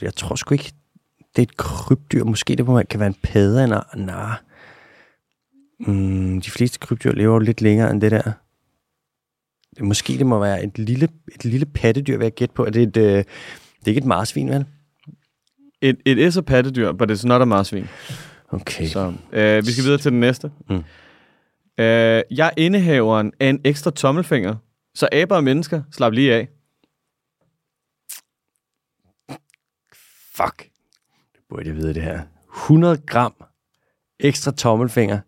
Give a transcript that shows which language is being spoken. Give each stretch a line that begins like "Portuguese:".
Danish: Jeg tror sgu ikke, det er et krybdyr. Måske det kan være en padde eller nej. De fleste krybdyr lever jo lidt længere end det der. Måske det må være et lille pattedyr, vil jeg gætte på. Det er ikke et marsvin, vel?
English: It is a pattedyr, but it's not a marsvin. Okay.
Danish: Så, vi skal videre til den næste. Jeg er indehaveren af en ekstra tommelfinger, så aber og mennesker slap lige af. Fuck. Det burde jeg vide, det her. 100 gram ekstra tommelfinger.